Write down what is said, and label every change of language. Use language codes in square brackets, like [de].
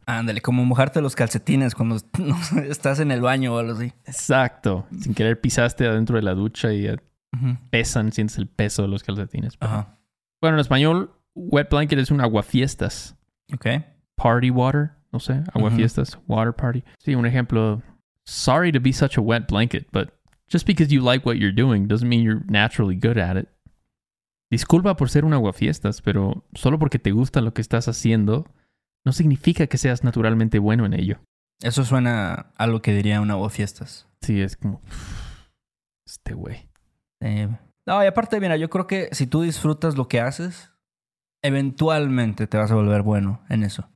[es] Ándale, como mojarte los calcetines cuando estás en el baño o algo así. Exacto. Sin querer pisaste adentro de la ducha y pesan, sientes el peso de los calcetines. Ajá. Bueno, en español, [en] wet blanket [es] es un aguafiestas. Ok. [en] Party water, [es] no sé. Aguafiestas, [en] water party. [es] Sí, un ejemplo... [en] Sorry to be such a wet blanket, but just because you like what you're doing doesn't mean you're naturally good at it. [es] Disculpa por ser un aguafiestas, pero solo porque te gusta lo que estás haciendo no significa que seas naturalmente bueno en ello. Eso suena a lo que diría un aguafiestas. Sí, es como... este güey. No, y aparte, mira, yo creo que si tú disfrutas lo que haces, eventualmente te vas a volver bueno en eso.